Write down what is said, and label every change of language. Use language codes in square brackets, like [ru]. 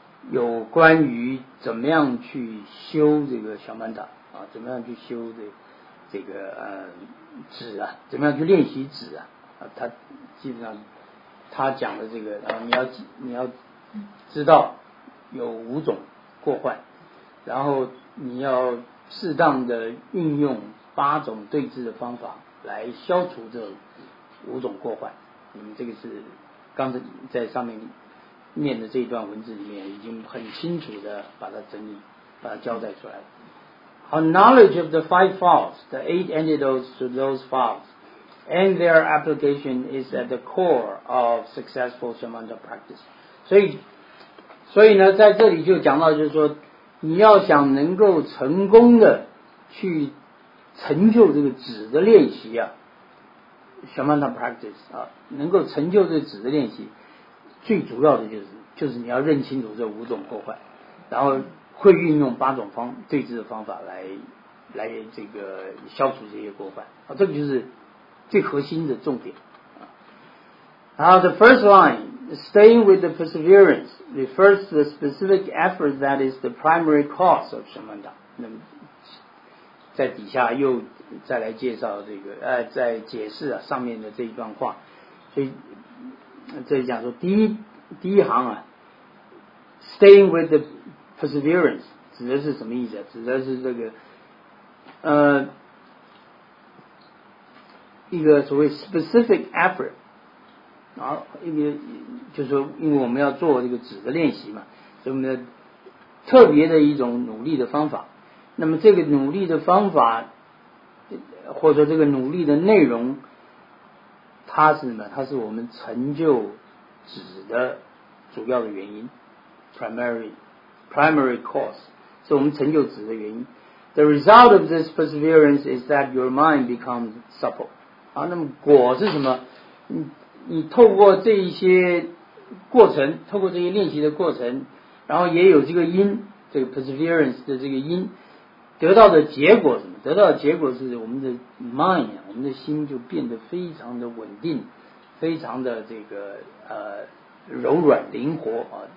[zh] 有关于怎么样去修这个小曼达啊，怎么样去修的这个止啊，怎么样去练习止啊，他基本上他讲的这个，然后你要知道有五种过患，然后你要适当的运用八种对治的方法来消除这五种过患。你们这个是刚才在上面念的这一段文字里面已经很清楚的把它整理、把它交代出来了。 [en] Our knowledge of the five faults, the eight antidotes to those faults, and their application is at the core of successful samatha practice. [zh] 所以呢，在这里就讲到，就是说，你要想能够成功的去成就这个止的练习啊。 [en] Samatha practice [zh] 啊，能够成就这个止的练习，最主要的就是你要认清楚这五种过患，然后会运用八种方对治的方法来这个消除这些过患啊，这个就是最核心的重点啊。然后 [en] the first line, staying with the perseverance refers to the specific effort that is the primary cause of Samatha。 [zh] 那么在底下又再来介绍这个再解释啊上面的这一段话。所以这里讲说第一行啊， [en] staying with the perseverance [zh] 指的是什么意思啊，指的是这个一个所谓 [en] specific effort， [zh] 然后一个就是说因为我们要做这个指的练习嘛，所以我们的特别的一种努力的方法。那么这个努力的方法或者说这个努力的内容，它是什么？它是我们成就止的主要的原因， [en] primary cause [zh] 是我们成就止的原因。 [en] The result of this perseverance is that your mind becomes supple。 [zh] 好，那么果是什么？你透过这一些过程，透过这些练习的过程，然后也有这个因，这个 perseverance 的这个因，得到的结果什么？得到的结果是我们的 mind， 我们的心就变得非常的稳定，非常的这个柔软灵活啊。